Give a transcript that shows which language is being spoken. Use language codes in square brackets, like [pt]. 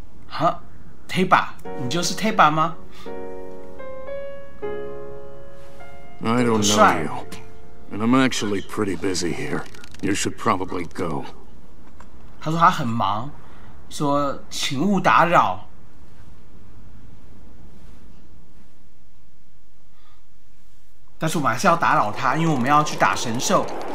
[en] Yeah， [zh] 哈 ，Teba， 你就是 Teba 吗？ [en] I don't know you, and I'm actually pretty busy here. You should probably go. [zh] 他说他很忙，说请勿打扰。但是我们还是要打扰他，因为我们要去打神兽。